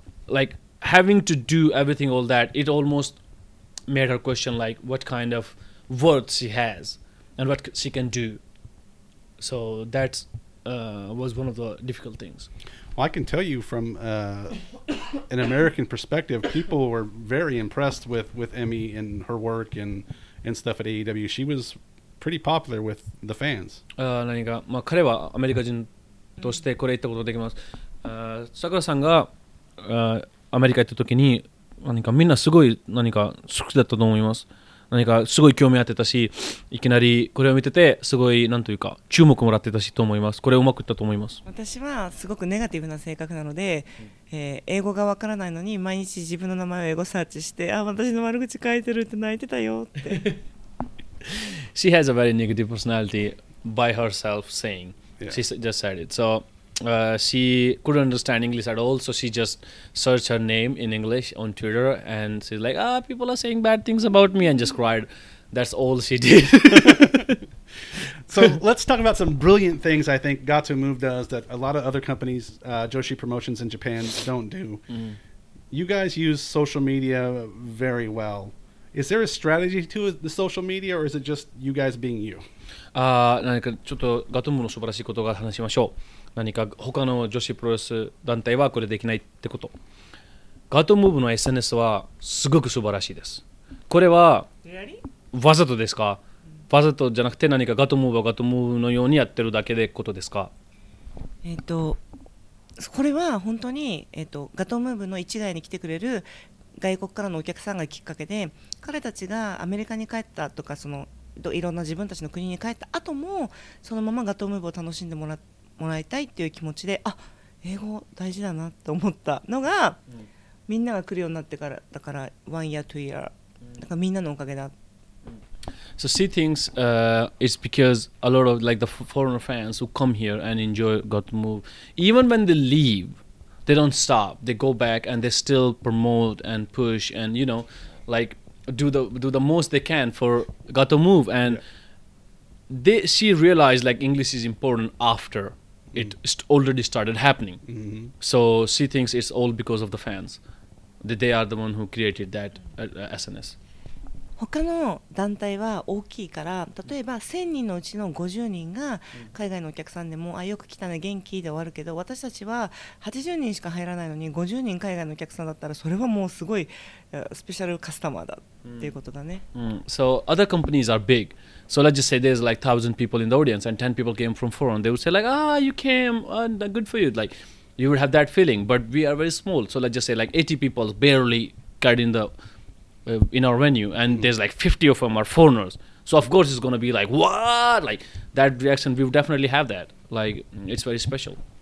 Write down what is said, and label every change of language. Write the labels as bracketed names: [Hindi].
[English] Like having to do everything, all that, it almost made her question like what kind of worth she has and what she can do. So that was one of the difficult things. Well, I can tell you from an American perspective, people were very impressed with Emmy and her work and stuff at AEW. She was. Pretty popular with the fans. [Japanese] 何か、まあ、彼はアメリカ人としてこれ言ったことができます。さくらさんがアメリカ行った時に何かみんなすごい何か好きだったと思います。何かすごい興味あってたし、いきなりこれを見ててすごい何というか注目もらってたしと思います。これうまくいったと思います。私はすごくネガティブな性格なので、英語がわからないのに毎日自分の名前を英語サーチして、あ、私の悪口書いてるって泣いてたよって。 [English] She has a very negative personality by herself saying,、yeah. she just said it. So、she couldn't understand English at all, so she just searched her name in English on Twitter and she's like, ah, people are saying bad things about me and just cried. That's all she did. So let's talk about some brilliant things I think Gato Move does that a lot of other companies,、Joshi Promotions in Japan, don't do.、Mm. You guys use social media very well. Is there a strategy to the social media, or is it just you guys being you? [Japanese] 何かちょっとガトムの素晴らしいことが話しましょう。何か他の女子プロレス団体はこれできないってこと。ガトムーブの SNS はすごく素晴らしいです。これはわざとですか？わざとじゃなくて何かガトムーブはガトムーブのようにやってるだけでことですか？これは本当に、ガトムーブの一概に来てくれる外国からのお客さんがきっかけで、彼たちがアメリカに帰ったとかそのいろんな自分たちの国に帰った後もそのままガトムーブを楽しんでもらいたいっていう気持ちで、あ、英語大事だなと思ったのが、うん、みんなが来るようになってからだから [English] 1 year 2 year [Japanese] だからみんなのおかげだ。 [English] So she thinks it's because a lot of like the foreign fans who come here and enjoy Got to Move even when they leaveThey don't stop. They go back and they still promote and push and, you know, like do the most they can for Gato Move. And、yeah. she realized like English is important after、mm-hmm. it already started happening.、Mm-hmm. So she thinks it's all because of the fans. That they are the one who created that SNS. [Japanese] 他の団体は大きいから例えば1000人のうちの50人が海外のお客さんでも、うん、あよく来たね元気で終わるけど私たちは80人しか入らないのに50人海外のお客さんだったらそれはもうすごいスペシャルカスタマーだっていうことだね、 [English] うんうん、So other companies are big So let's just say there's like 1000 people in the audience and 10 people came from foreign They would say like ah you came and good for you Like you would have that feeling but we are very small So let's just say like 80 people barely got in thein our venue and there's like 50 of them are foreigners so of course it's going to be like what like that reaction we definitely have that like it's very special